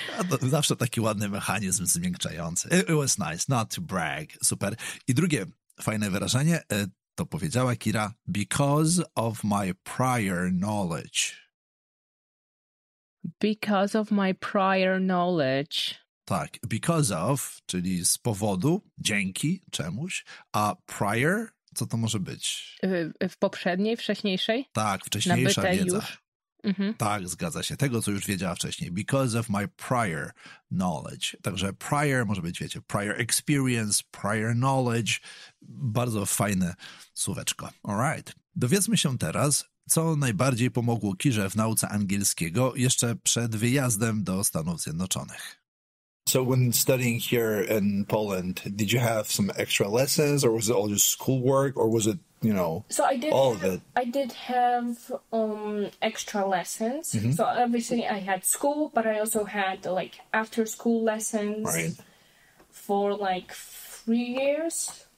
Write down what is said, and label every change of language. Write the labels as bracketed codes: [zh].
[pl] To zawsze taki ładny mechanizm zmiękczający. [en] It was nice. Not to brag. Super. [pl] I drugie fajne wyrażenie, to powiedziała Kira, [en] because of my prior knowledge. Because of my prior knowledge. [pl] Tak, [en] because of, [pl] czyli z powodu, dzięki czemuś, a prior, co to może być? W poprzedniej, wcześniejszej? Tak, wcześniejsza nabyte wiedza. Już. Mm-hmm. Tak, zgadza się. Tego, co już wiedziała wcześniej. [en] Because of my prior knowledge. [pl] Także prior może być, wiecie, [en] prior experience, prior knowledge. [pl] Bardzo fajne słóweczko. [en] All right. [pl] Dowiedzmy się teraz, co najbardziej pomogło Kirze w nauce angielskiego jeszcze przed wyjazdem do Stanów Zjednoczonych. [en] So when studying here in Poland, did you have some extra lessons or was it all just schoolwork or was it, you know, so I did all have, of it? I did have extra lessons. Mm-hmm. So obviously I had school, but I also had like after school lessons for like 3 years.